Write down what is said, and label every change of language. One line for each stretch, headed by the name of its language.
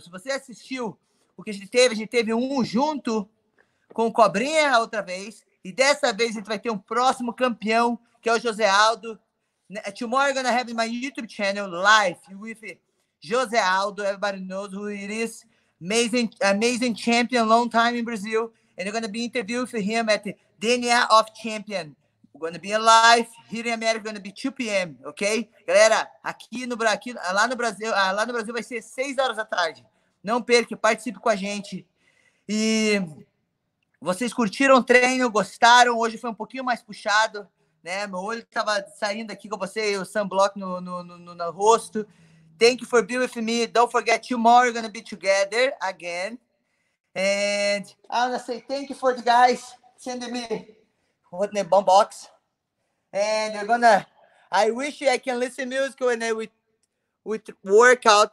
Portuguese: Se você assistiu o que a gente teve um junto com o Cobrinha outra vez. E dessa vez, a gente vai ter um próximo campeão, que é o José Aldo.
English: Tomorrow, I'm going to have my YouTube channel live with José Aldo. Everybody knows who it is. Amazing champion, long time in Brazil. And you're going to be interviewed for him at the DNA of Champion. We're going to be live here in America, going to be 2 p.m., okay?
Portuguese: Galera, lá no Brasil vai ser 6 horas da tarde. Não perca, participe com a gente. E vocês curtiram o treino, gostaram? Hoje foi um pouquinho mais puxado, né? Meu olho estava saindo aqui com você, o sunblock no rosto.
English: Thank you for being with me. Don't forget, tomorrow we're going to be together again. And I want to say thank you for the guys sending me with the bomb box. And we're going to, I wish I can listen to music when I with workout.